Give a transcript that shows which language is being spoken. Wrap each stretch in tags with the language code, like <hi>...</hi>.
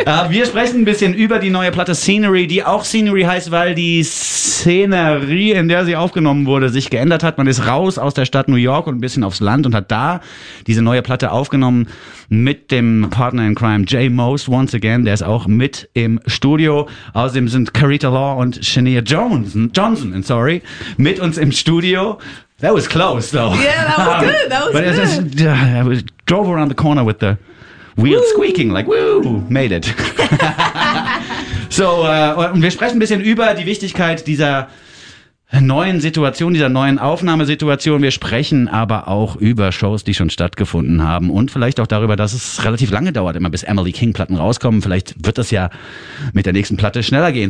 <de>wir sprechen ein bisschen über die neue Platte Scenery, die auch Scenery heißt, weil die Szenerie, in der sie aufgenommen wurde, sich geändert hat. Man ist raus aus der Stadt New York und ein bisschen aufs Land und hat da diese neue Platte aufgenommen mit dem Partner in Crime Jay Most once again. Der ist auch mit im Studio. Außerdem sind Carita Law und Shania Johnson, mit uns im Studio.</de> <en>That was close, though. Yeah, that was good. That was good. I was, drove around the corner with the wheel squeaking, like, woo, made it.</en> <de>So, und wir sprechen ein bisschen über die Wichtigkeit dieser neuen Situation, dieser neuen Aufnahmesituation. Wir sprechen aber auch über Shows, die schon stattgefunden haben und vielleicht auch darüber, dass es relativ lange dauert, immer bis Emily King Platten rauskommen. Vielleicht wird das ja mit der nächsten Platte schneller gehen.</de>